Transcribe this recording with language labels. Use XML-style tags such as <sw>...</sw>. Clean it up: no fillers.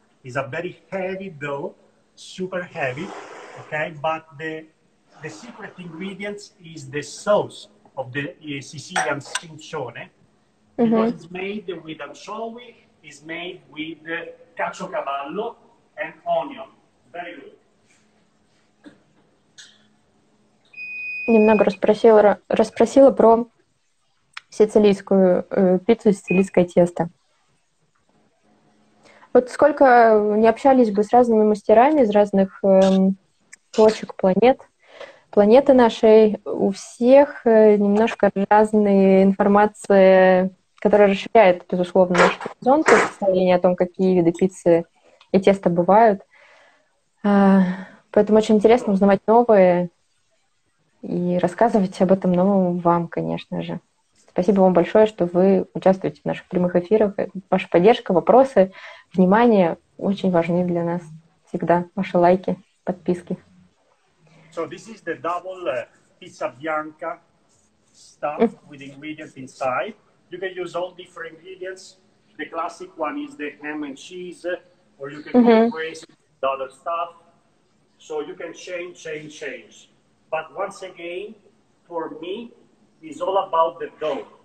<en>It's a very heavy dough, super heavy. Okay, but the secret ingredient is the sauce of the Sicilian spincione. Because it's made with anchovy, it's made with caciocavallo and onion. Very good.</en> <ru>Немного расспросила про сицилийскую пиццу, сицилийское тесто. Вот сколько не общались бы с разными мастерами из разных... точек планеты нашей, у всех немножко разные информации, которая расширяет, безусловно, наш горизонт, представление о том, какие виды пиццы и теста бывают. Поэтому очень интересно узнавать новое и рассказывать об этом новому вам, конечно же. Спасибо вам большое, что вы участвуете в наших прямых эфирах. Ваша поддержка, вопросы, внимание очень важны для нас всегда. Ваши лайки, подписки.</ru> <en>So this is the double pizza bianca stuff with ingredients inside. You can use all different ingredients. The classic one is the ham and cheese, or you can use the other stuff. So you can change. But once again, for me, it's all about the dough.</en>